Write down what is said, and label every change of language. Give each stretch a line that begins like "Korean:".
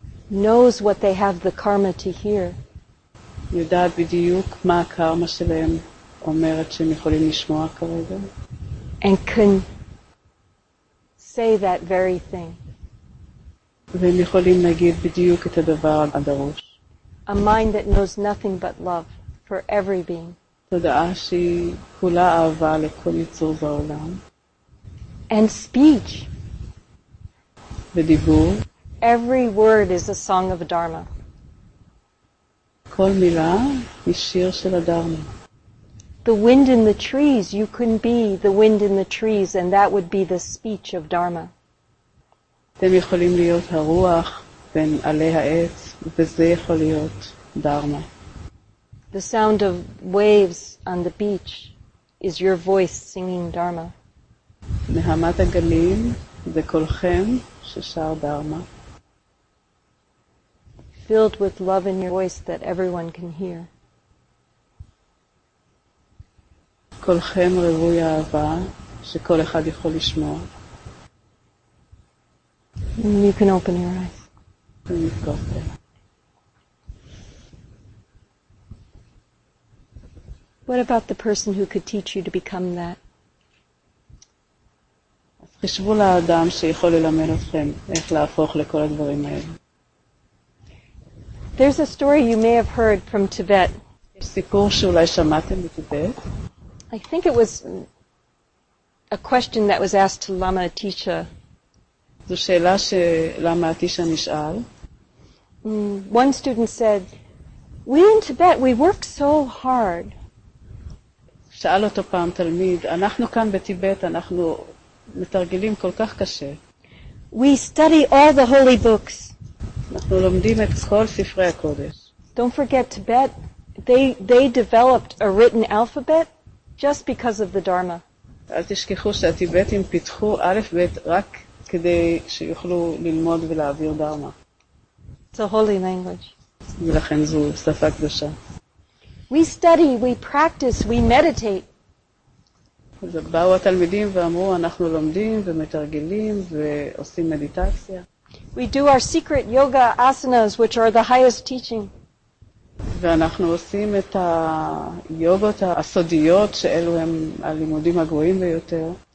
English: Knows what they have the karma to hear.
Hebrew: יודעת בדיוק מה הקרמה שלהם אומרת שהם יכולים לשמוע כרגע.
English: And can say that very thing.
Hebrew: והם יכולים להגיד בדיוק את הדבר הדרוש.
English: A mind that knows nothing but love. For every being.
Hebrew: תודעה שהיא כולה אהבה לכל יצור בעולם.
English: And speech.
Hebrew: ודיבור.
English: Every word is a song of Dharma.
Hebrew: כל מילה היא שיר של הדרמה.
English: The wind in the trees, you can be the wind in the trees, and that would be the speech of Dharma.
Hebrew: אתם יכולים להיות הרוח בין עלי העץ, וזה יכול להיות דרמה.
English: The sound of waves on the beach is your voice singing Dharma.
Hebrew: נהמת הגלים זה קולכם ששר דרמה.
English: Filled with love in your voice that everyone can hear.
Hebrew: קולכם רווי אהבה שכל אחד יכול לשמוע.
English: You can open your eyes. What about the person who could teach you to become that?
Hebrew: חשבו לאדם שיכול ללמד אתכם איך להפוך לכל הדברים האלה.
English: There's a story you may have heard from Tibet.
Hebrew: סיפור שאולי שמעתם בטיבט.
English: I think it was a question that was asked to Lama Atisha.
Hebrew: זו שאלה שלמה אטישה נשאל.
English: One student said, "We in Tibet, we work so hard."
Hebrew: שאל אותו פעם תלמיד, אנחנו כאן בטיבט, אנחנו מתרגלים כל כך קשה.
English: We study all the holy books.
Hebrew: אנחנו לומדים את כל ספרי הקודש.
English: Don't forget Tibet, they developed a written alphabet just because of the Dharma.
Hebrew: אל תשכחו שהטיבטים פיתחו א' ב' רק כדי שיוכלו ללמוד ולהעביר דרמה.
English: It's a holy language.
Hebrew: ולכן זו שפה קדושה.
English: We study, we practice, we meditate.
Hebrew: באו התלמידים ואמרו, אנחנו לומדים ומתרגלים ועושים מדיטציה.
English: We do our secret yoga asanas, which are the highest teaching.
Hebrew: ואנחנו עושים את היוגות הסודיות, שאלו הם הלימודים הגבוהים ביותר.